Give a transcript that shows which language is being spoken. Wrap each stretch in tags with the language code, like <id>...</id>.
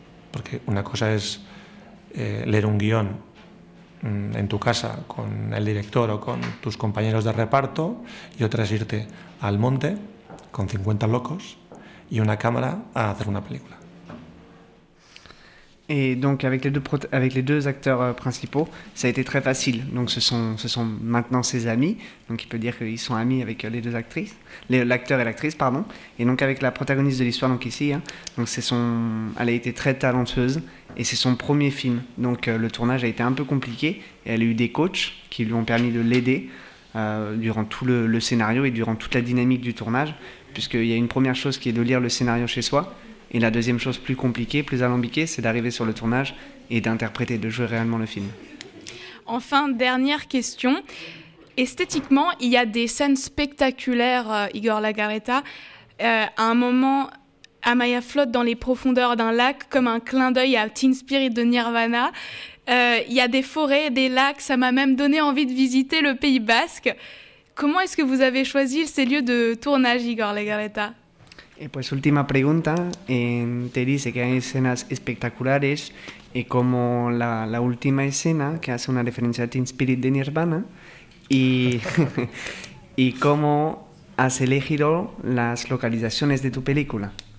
<es>Porque una cosa es leer un guión en tu casa con el director o con tus compañeros de reparto, y otra es irte al monte con 50 locos y una cámara a hacer una película.</es> <fr>Et donc avec les deux acteurs principaux, ça a été très facile. Donc ce sont maintenant ses amis. Donc il peut dire qu'ils sont amis avec les deux actrices, l'acteur et l'actrice, pardon. Et donc avec la protagoniste de l'histoire, donc ici, hein, donc elle a été très talentueuse et c'est son premier film. Donc le tournage a été un peu compliqué et elle a eu des coachs qui lui ont permis de l'aider durant tout le scénario et durant toute la dynamique du tournage, puisqu'il y a une première chose qui est de lire le scénario chez soi. Et la deuxième chose plus compliquée, plus alambiquée, c'est d'arriver sur le tournage et d'interpréter, de jouer réellement le film. Enfin, dernière question. Esthétiquement, il y a des scènes spectaculaires, Igor Lagareta. À un moment, Amaya flotte dans les profondeurs d'un lac comme un clin d'œil à Teen Spirit de Nirvana. Il y a des forêts, des lacs, ça m'a même donné envie de visiter le Pays Basque. Comment est-ce que vous avez choisi ces lieux de tournage, Igor Lagareta?</fr> <es>Pues última pregunta, te dice que hay escenas espectaculares y como la última escena que hace una referencia a Teen Spirit de Nirvana y, y cómo has elegido las localizaciones de tu película.</es>